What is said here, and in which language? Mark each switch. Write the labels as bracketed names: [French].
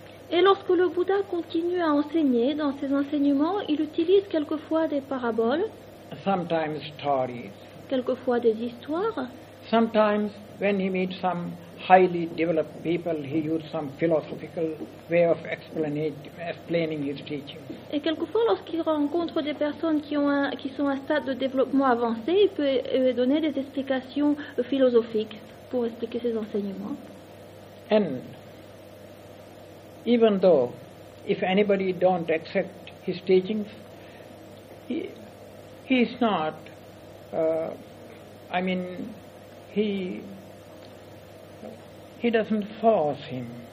[French] Et lorsque le Bouddha continue à enseigner dans ses enseignements, il utilise quelquefois des paraboles. [English] Sometimes stories. [French] Quelquefois des histoires. [English] Sometimes, when he meets some highly developed people, he uses some philosophical way of explaining his teaching. [French] Et quelquefois, lorsqu'il rencontre des personnes qui sont à un stade de développement avancé, il peut donner des explications philosophiques pour expliquer ses enseignements. [English] And even though, if anybody don't accept his teachings, he doesn't force him.